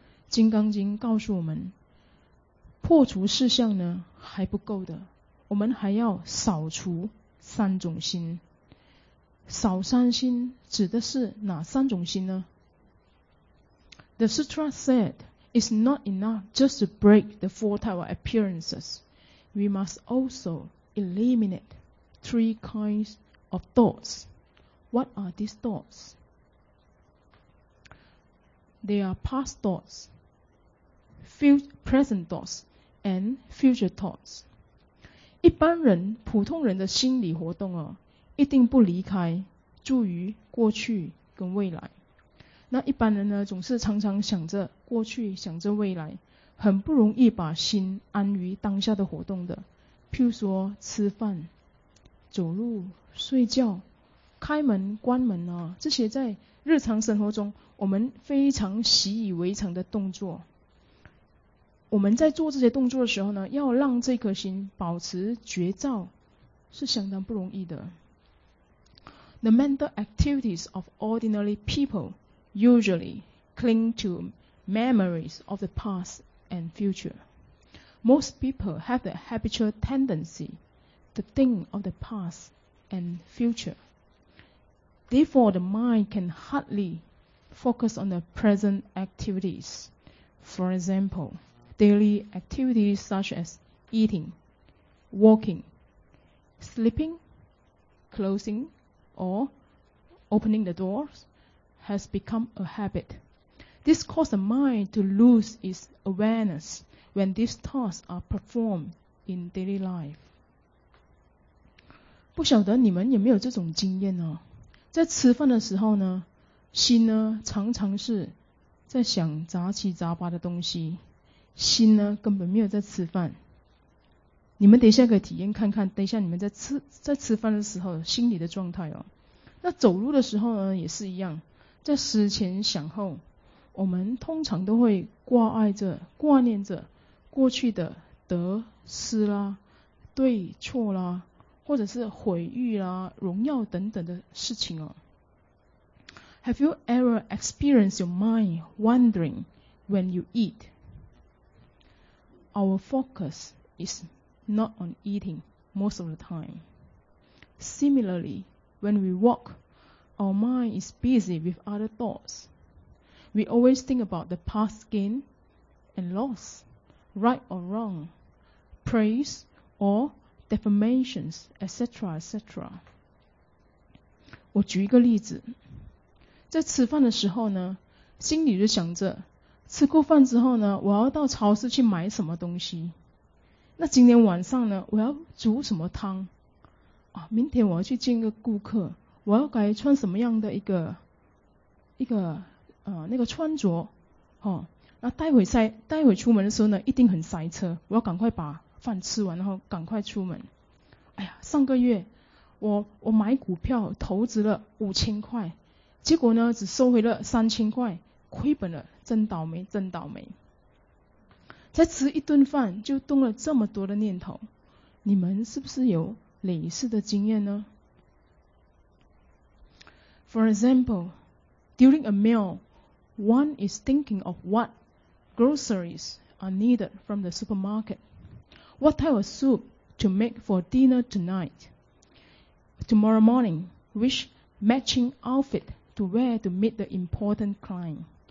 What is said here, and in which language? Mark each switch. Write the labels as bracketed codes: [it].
[zh] 金刚经告诉我们，破除四相呢还不够的，我们还要扫除三种心。扫三心指的是哪三种心呢？ [en] The sutra said, it's not enough just to break the four type of appearances. We must also eliminate three kinds of thoughts. What are these thoughts? They are past thoughts, present thoughts, and future thoughts. [zh] 一般人，普通人的心理活动啊，一定不离开住于过去跟未来。那一般人呢，总是常常想着过去，想着未来，很不容易把心安于当下的活动的。譬如说吃饭、走路、睡觉、开门、关门啊，这些在日常生活中我们非常习以为常的动作。我们在做这些动作的时候呢，要让这颗心保持觉照是相当不容易的。 [en] The mental activities of ordinary people usually cling to memories of the past and future. Most people have the habitual tendency to think of the past and future. Therefore, the mind can hardly focus on the present activities. For example, daily activities such as eating, walking, sleeping, clothing,or opening the doors has become a habit. This causes the mind to lose its awareness when these tasks are performed in daily life. [zh] 不晓得你们有没有这种经验呢？在吃饭的时候呢，心呢常常是在想杂七杂八的东西，心呢根本没有在吃饭。你们等一下可以体验看看，等一下你们在吃饭的时候心里的状态哦。那走路的时候呢也是一样，在思前想后，我们通常都会挂念着过去的得失啦、对错啦，或者是毁誉啦、荣耀等等的事情哦。 [en] Have you ever experienced your mind wandering when you eat? Our focus is not on eating most of the time. Similarly, when we walk,Our mind is busy with other thoughts. We always think about the past gain and loss, right or wrong, praise or defamations, etc., etc. [zh] 我举一个例子，在吃饭的时候呢，心里就想着，吃过饭之后呢，我要到超市去买什么东西。那今天晚上呢，我要煮什么汤？啊，明天我要去见个顾客。我要该穿什么样的一个穿着哦，那待会出门的时候呢一定很塞车，我要赶快把饭吃完然后赶快出门。哎呀，上个月我买股票投资了5000块，结果呢只收回了3000块，亏本了，真倒霉。才吃一顿饭就动了这么多的念头，你们是不是有类似的经验呢？ [en] For example, during a meal, one is thinking of what groceries are needed from the supermarket, what type of soup to make for dinner tonight, tomorrow morning, which matching outfit to wear to meet the important client.